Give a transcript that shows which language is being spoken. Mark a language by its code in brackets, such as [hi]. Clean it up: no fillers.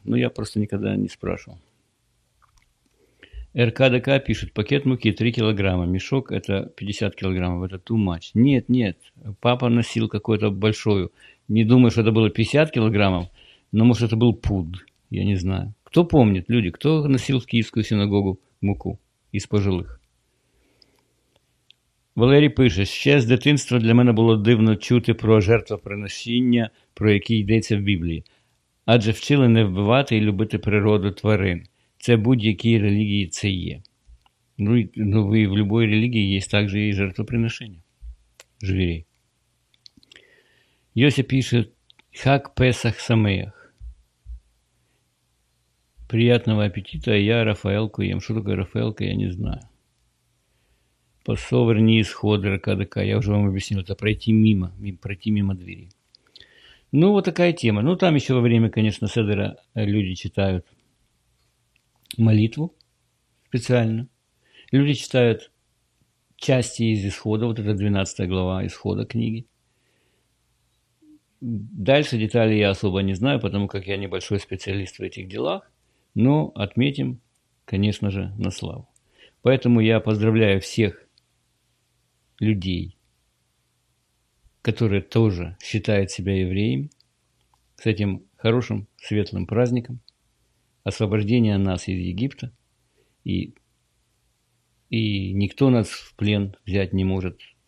[ru] Но я просто никогда не спрашивал. РКДК пишет, пакет муки 3 килограмма, мешок это 50 килограммов, это [en] too much. [ru] Нет, нет, папа носил какую-то большую. Не думаю, что это было 50 килограммов, но может это был пуд, я не знаю. Кто помнит, люди, кто носил в Киевскую синагогу муку из пожилых? [uk] Валерій пише, ще з дитинства для мене було дивно чути про жертвоприношення, про які йдеться в Біблії. Адже вчили не вбивати і любити природу тварин. Це будь-якій релігії це є. Ну, і в будь-якій релігії є також і жертвоприношення. Жвірій. Йося пише, [he] хак Песах Самеях. [uk] Приятного апетиту, я Рафаелку їм. Що таке Рафаелка, я не знаю. По соверні сходи РКДК. Я вже вам об'яснив, це пройти мимо двері. Ну, от така тема. Ну, там ще [ru] во время, [uk] звісно, Седера люди читають молитву спеціально. Люди читають часті із Ісходу, от це 12 глава Ісходу книги. Дальше деталі я особо не знаю, тому як я небольшой спеціаліст в цих ділах, але відмітимо, звісно ж, на славу. [ru] Поэтому я поздравляю [uk] всіх [ru] людей, которые тоже считают себя евреями, с этим хорошим, светлым праздником, освобождение нас из Египта, и никто нас в плен взять не может.